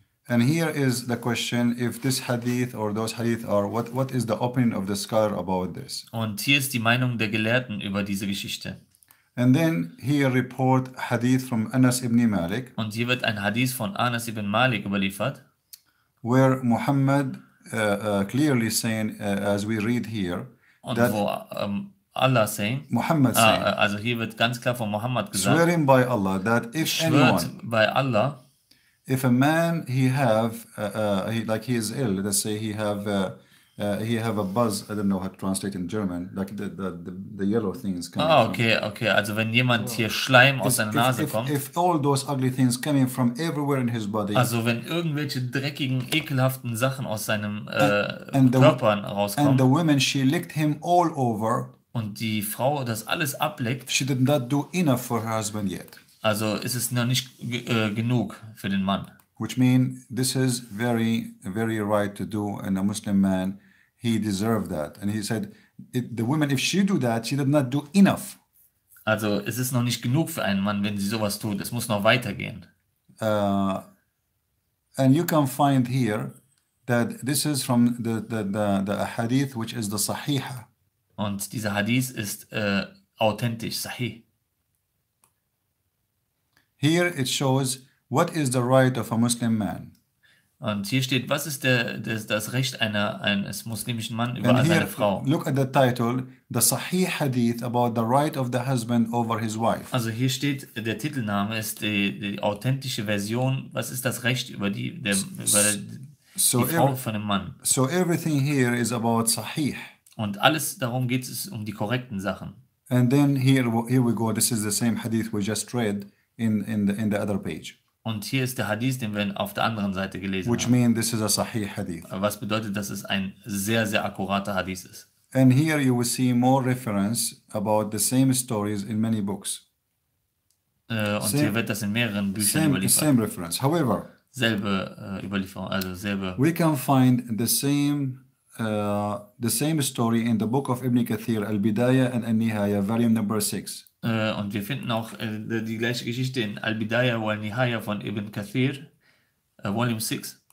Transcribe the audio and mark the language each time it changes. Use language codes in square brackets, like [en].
[en] And here is the question, if this hadith or those hadith are, what is the opinion of the scholar about this? [de] Und hier ist die Meinung der Gelehrten über diese Geschichte. [en] And then here report hadith from Anas ibn Malik. [de] Und hier wird ein Hadith von Anas ibn Malik überliefert. [en] Where Muhammad clearly saying, as we read here. Und that wo Allah saying. Muhammad saying. [de] Also hier wird ganz klar von Muhammad gesagt. [en] Swearing by Allah that if anyone. By Allah. If a man he have, like he is ill, let's say he have a buzz, I don't know how to translate in German, like the yellow things coming from. [de] Ah, okay, okay, also wenn jemand hier Schleim aus seiner Nase kommt. [en] If all those ugly things coming from everywhere in his body. [de] Also wenn irgendwelche dreckigen, ekelhaften Sachen aus seinem Körper rauskommen. [en] And the woman, she licked him all over. [de] Und die Frau das alles ableckt. [en] She did not do enough for her husband yet. [de] Also ist es noch nicht genug für den Mann. [en] Which means this is very, very right to do, and a Muslim man, he deserved that. And he said, the woman, if she do that, she did not do enough. [de] Also, es ist noch nicht genug für einen Mann, wenn sie sowas tut. Es muss noch weitergehen. [en] And you can find here that this is from the hadith, which is the sahiha. [de] Und dieser Hadith ist authentisch, sahih. [en] Here it shows. What is the right of a Muslim man? [de] Und hier steht, was ist das Recht eines muslimischen Mann über seine Frau? [en] Look at the title, the sahih hadith about the right of the husband over his wife. [de] Also hier steht, der Titelname ist die authentische Version, was ist das Recht über die Frau von dem Mann? [en] So everything here is about sahih. [de] Und alles darum geht es um die korrekten Sachen. [en] And then here we go, this is the same hadith we just read in the other page. [de] Und hier ist der Hadith, den wir auf der anderen Seite gelesen [en] Which [de] haben. [en] Which means this is a sahih hadith. [de] Was bedeutet, dass es ein sehr, sehr akkurater Hadith ist. [en] And here you will see more reference about the same stories in many books. [de] Und same, hier wird das in mehreren Büchern [en] same, [de] überliefert. [en] Same reference. However, [de] selbe Überlieferung, also selbe. [en] We can find the same story in the book of Ibn Kathir, Al-Bidayah and Al-Nihaya, volume number 6. [de] Und wir finden auch die gleiche Geschichte in Al-Bidayah wal-Nihaya von Ibn Kathir, Volume 6.